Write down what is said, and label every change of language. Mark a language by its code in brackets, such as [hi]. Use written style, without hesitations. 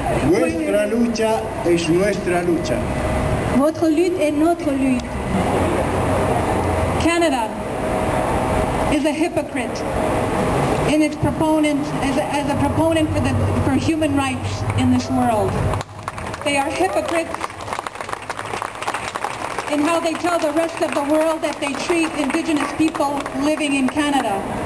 [es] Nuestra lucha es nuestra lucha. [fr] Votre lutte est notre lutte. [en] Canada is a hypocrite in its proponent as a proponent for human rights in this world. They are hypocrites in how they tell the rest of the world that they treat Indigenous people living in Canada.